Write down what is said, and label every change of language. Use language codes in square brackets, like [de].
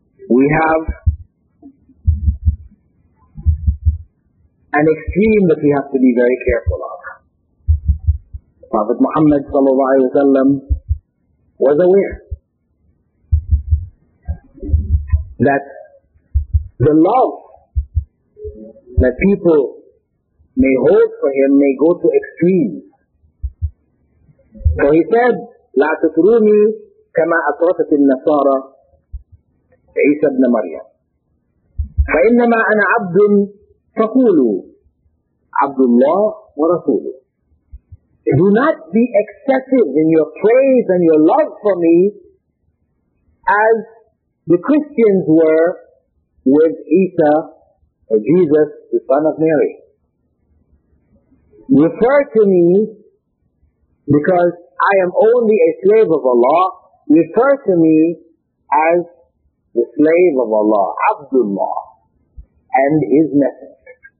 [en] We have an extreme that we have to be very careful of. Prophet Muhammad sallallahu alaihi wasallam was aware that the love that people may hold for him may go to extremes. So he said, [ar] لا تتروني كما أطرفت النصارى عيسى بن مريم فإنما أنا عبد فقولوا عبد الله ورسوله. [en] Do not be excessive in your praise and your love for me as the Christians were with Isa, or Jesus, the son of Mary. Refer to me, because I am only a slave of Allah, refer to me as the slave of Allah, Abdullah, and his messenger.